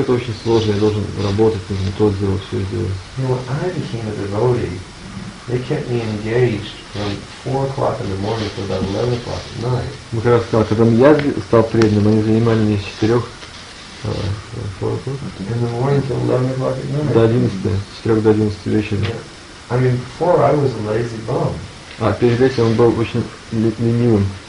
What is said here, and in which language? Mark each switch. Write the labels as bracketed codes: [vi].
[ru] это очень сложно, я должен работать, нужно то сделать, все сделать. [en] They kept me engaged from 4 o'clock in the morning till about 11 o'clock at night. [ru] Мы как раз сказали, когда я стал преданным, они занимали меня с 4 [en] in the morning till 11 o'clock at night. [ru] До 11, с 4 до 11 вечера. Yeah. [en] I mean, before I was a lazy bum. [ru] А перед этим он был очень ленивым.